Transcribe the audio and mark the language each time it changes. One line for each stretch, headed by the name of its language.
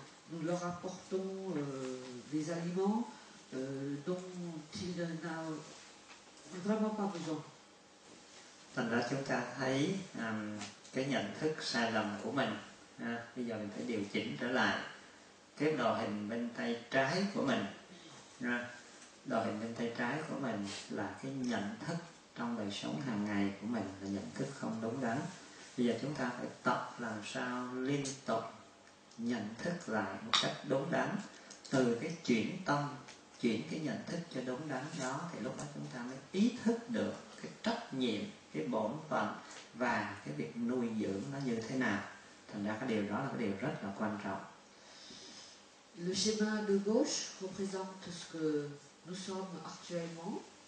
French: Nous leur apportons des aliments dont ils n'ont vraiment pas besoin.
Vietnamese: Thành ra chúng ta thấy cái nhận thức sai lầm của mình. Bây giờ mình phải điều chỉnh trở lại cái đồ hình bên tay trái của mình. Đồ hình bên tay trái của mình là cái nhận thức trong đời sống hàng ngày của mình, là nhận thức không đúng đắn. Bây giờ chúng ta phải tập làm sao liên tục nhận thức lại một cách đúng đắn. Từ cái chuyển tâm, chuyển cái nhận thức cho đúng đắn đó, thì lúc đó chúng ta mới ý thức được cái trách nhiệm, cái bổn phận và cái việc nuôi dưỡng nó như thế nào. Thành ra cái điều đó là cái điều rất là quan trọng.
French: Le schéma de gauche représente ce que nous sommes actuellement,